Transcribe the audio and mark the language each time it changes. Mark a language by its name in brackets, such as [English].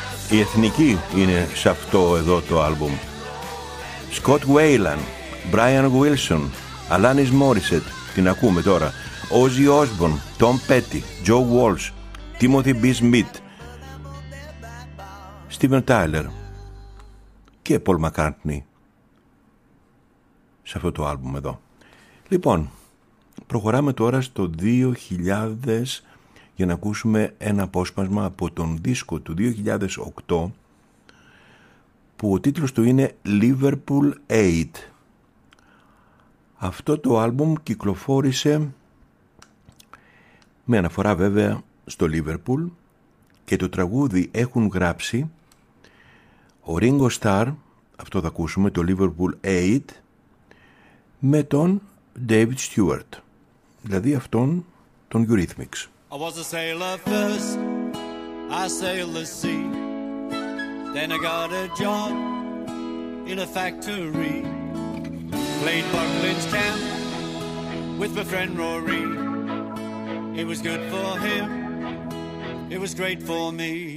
[Greek] Η Εθνική είναι σε αυτό εδώ το άλμπουμ. Scott Weiland, Brian Wilson, Alanis Morissette, την ακούμε τώρα, Ozzy Osbourne, Tom Petty, Joe Walsh, Timothy B. Smith, Steven Tyler και Paul McCartney σε αυτό το άλμπουμ εδώ. Λοιπόν, προχωράμε τώρα στο 2000 για να ακούσουμε ένα απόσπασμα από τον δίσκο του 2008 που ο τίτλος του είναι Liverpool 8. Αυτό το άλμπουμ κυκλοφόρησε με αναφορά βέβαια στο Liverpool και το τραγούδι έχουν γράψει ο Ringo Starr, αυτό θα ακούσουμε, το Liverpool 8, με τον David Stewart, δηλαδή αυτόν τον Eurythmics. [English] I was a sailor first, I sailed the sea. Then I got a job in a factory. Played Buckland's Camp with my friend Rory. It was good for him, it was great for me.